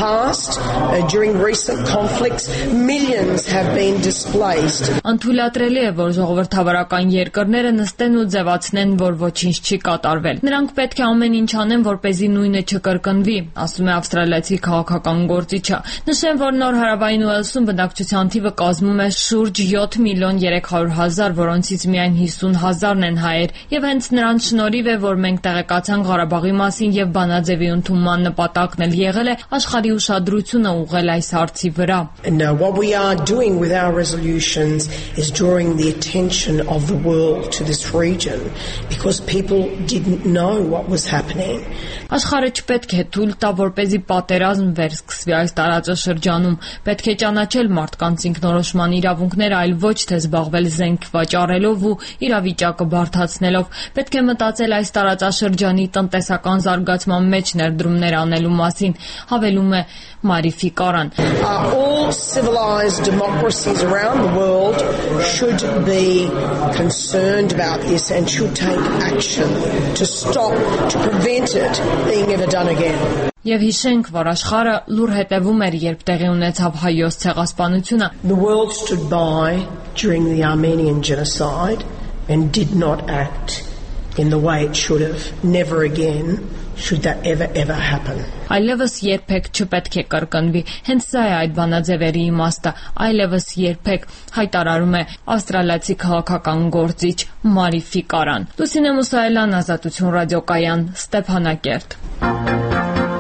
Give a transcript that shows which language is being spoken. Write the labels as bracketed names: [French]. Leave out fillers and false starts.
[English] past, during recent conflicts, millions have been displaced. [Armenian] Անթույլատրելի է, որ ժողովրդավարական երկրները նստեն ու ձևացնեն, որ ոչինչ չի կատարվել. Նրանք պետք է ամեն ինչ անեն, որպեսզի նույնը չկրկնվի, ասում է ավստրալիացի քաղաքական գործիչը։ Նշեմ, որ Նոր Հարավային Ուելսում բնակչության թիվը կազմում է շուրջ 7 միլիոն 300 հազար, որոնցից միայն 50 հազարն են հայեր, եւ հենց նրանց շնորհիվ է, որ մենք տեղեկացան Ղարաբաղի մասին եւ բանաձևի ընդունման նպատակն էլ եղել է աշխարհի ուշադրությունը ուղղել այս հարցի վրա։ [English] Now what we are doing with our resolutions is drawing the attention of the world to this region because people didn't know what was happening. [Armenian] Աշխարհը չպետք է թույլ տա, որպեսզի պատերազմ վերսկսվի այս տարածաշրջանում։ Պետք է ճանաչել մարդկանց ինքնորոշման իրավունքները, այլ ոչ թե զբաղվել զենք վաճառելով ու իրավիճակը բարդացնելով։ Պետք է մտածել այս տարածաշրջանի տնտեսական զարգացման մեջ ներդրումներ անելու մասին, հավելում է Մարի Ֆիկարան։ [English] All civilized democracies around the world should be concerned about this and should take action to stop, to prevent it being ever done again. [Armenian] Եվ հիշենք, որ աշխարը լուր հետևում էր, երբ տեղի ունեցավ հայոց ցեղասպանությունը. [English] The world stood by during the Armenian genocide and did not act in the way it should have. Never again should that ever happen. [Armenian] Այլևս երբեք չպետք է կրկնվի, հենց սա է այդ բանաձևերի իմաստը, այլևս երբեք, հայտարարում է ավստրալիացի քաղաքական գործիչ Մարի Ֆիկարան։ Լուսինե Մուսայելյան, Ազատություն ռադիոկայան, Ստեփանակերտ։